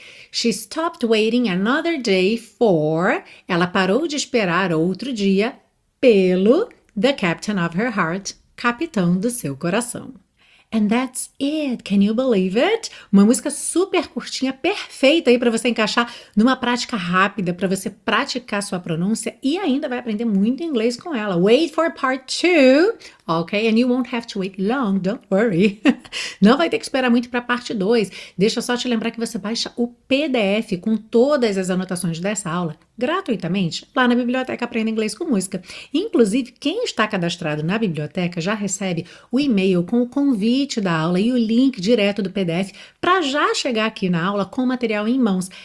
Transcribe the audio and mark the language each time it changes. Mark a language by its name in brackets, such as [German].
[English] She stopped waiting another day for. [Portuguese] Ela parou de esperar outro dia pelo [English] the captain of her heart, [Portuguese] capitão do seu coração. [English] And that's it. Can you believe it? [Portuguese] Uma música super curtinha, perfeita aí para você encaixar numa prática rápida, para você praticar sua pronúncia e ainda vai aprender muito inglês com ela. [English] Wait for part two, okay? And you won't have to wait long, don't worry. [Portuguese] Não vai ter que esperar muito para parte 2. Deixa só te lembrar que você baixa o PDF com todas as anotações dessa aula gratuitamente lá na Biblioteca Aprenda Inglês com Música. Inclusive, quem está cadastrado na biblioteca já recebe o e-mail com o convite da aula e o link direto do PDF para já chegar aqui na aula com o material em mãos.